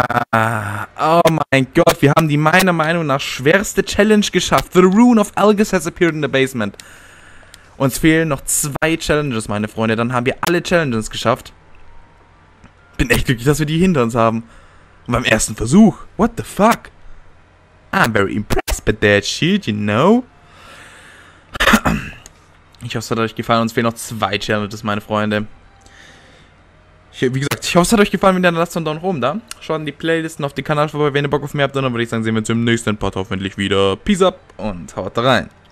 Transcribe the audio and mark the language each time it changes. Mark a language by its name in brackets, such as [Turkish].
[German] Ah, oh mein Gott, wir haben die meiner Meinung nach schwerste Challenge geschafft. [English] The Rune of Algus has appeared in the basement. [German] Uns fehlen noch zwei Challenges, meine Freunde. Dann haben wir alle Challenges geschafft. Bin echt glücklich, dass wir die hinter uns haben. Und beim ersten Versuch. [English] What the fuck? I'm very impressed by that shit, you know? [German] Ich hoffe, es hat euch gefallen. Uns fehlen noch zwei Challenges, meine Freunde. Wie gesagt, ich hoffe, es hat euch gefallen, wenn ihr dann lasst einen Daumen nach oben da. Schaut in die Playlisten auf den Kanal vorbei, wenn ihr Bock auf mehr habt. Und dann würde ich sagen, sehen wir uns im nächsten Part hoffentlich wieder. Peace up und haut rein.